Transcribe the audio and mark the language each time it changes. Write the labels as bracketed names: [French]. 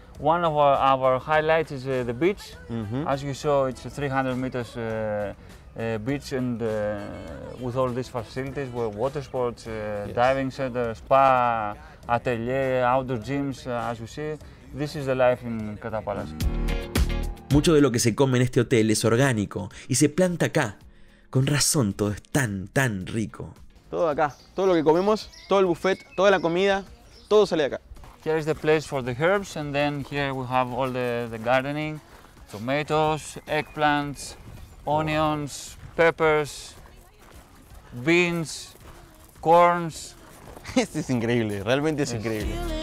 [English] One of our highlights is the beach. Mm-hmm. As you saw, it's a 300 meters beach, and with all these facilities, with water sports, diving center, spa, atelier, outdoor gyms, as you see, this is the life in Creta Palace. [Spanish] Mucho de lo que se come en este hotel es orgánico y se planta acá. Con razón, todo es tan, tan rico. Todo acá, todo lo que comemos, todo el buffet, toda la comida, todo sale acá. [English] Here is the place for the herbs, and then here we have all the gardening, tomatoes, eggplants, onions, peppers, beans, corns. [Spanish] Esto es increíble, realmente es increíble.